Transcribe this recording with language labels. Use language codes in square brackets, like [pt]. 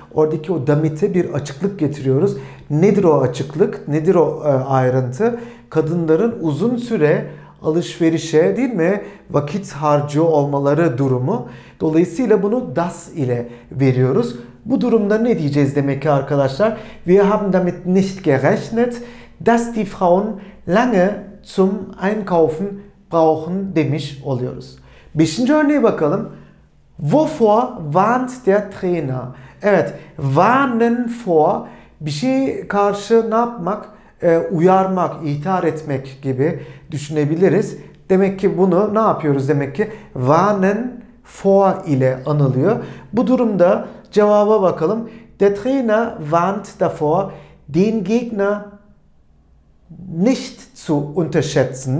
[tr] Oradaki o damit'e bir açıklık getiriyoruz. Nedir o açıklık? Nedir o ayrıntı? Kadınların uzun süre alışverişe, değil mi, vakit harcıyor olmaları durumu. Dolayısıyla bunu das ile veriyoruz. Bu durumda ne diyeceğiz demek ki arkadaşlar? [de] Wir haben damit nicht gerechnet, dass die Frauen lange zum Einkaufen brauchen [tr] demiş oluyoruz. Beşinci örneğe bakalım. [de] Wovor warnt der Trainer? [tr] Evet, warnen vor, bir şey karşı ne yapmak? Uyarmak, ihtar etmek gibi düşünebiliriz. Demek ki bunu ne yapıyoruz? Demek ki warnen vor ile anılıyor. Bu durumda cevaba bakalım. [de] Der Trainer warnt davor, den Gegner nicht zu unterschätzen.